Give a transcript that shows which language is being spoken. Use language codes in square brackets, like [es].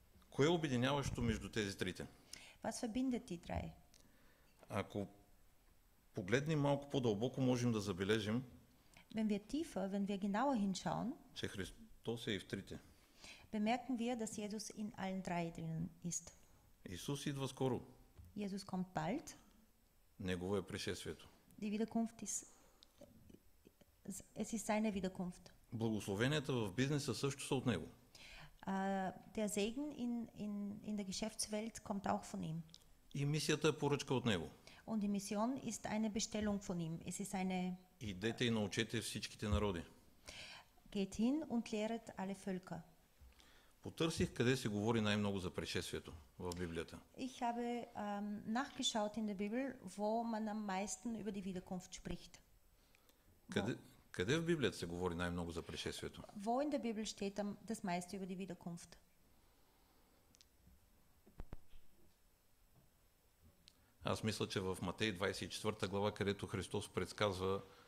[bg] Кое е обединяващо между тези трите? [de] Was verbindet die drei? [bg] Ако погледнем малко по-дълбоко, можем да забележим, [de] wenn wir tiefer, wenn wir genauer hinschauen, [bg] че Христос е и в трите. [de] Bemerken wir, dass Jesus in allen drei drinnen ist. [bg] Исус идва скоро. [de] Jesus kommt bald. [bg] Негово е пришествието. [de] Die Wiederkunft ist, es ist seine Wiederkunft. [bg] Благословенията в бизнеса също са от него. [de] Der Segen in der Geschäftswelt kommt auch von ihm. [bg] И мисията е поръчка от него. [de] Und die Mission ist eine Bestellung von ihm. Es ist eine. [bg] Идете и научете всичките народи. [de] Geht hin und lehret alle Völker. [bg] Потърсих къде се говори най-много за пришествието в Библията. [de] Ich habe nachgeschaut in der Bibel, wo man am meisten über die Wiederkunft spricht. [bg] Къде в Библията се говори най-много за пришествието? [de] Wo in der Bibel steht das meiste über die Wiederkunft? [bg] Аз мисля, че в Матей 24 глава, където Христос предсказва.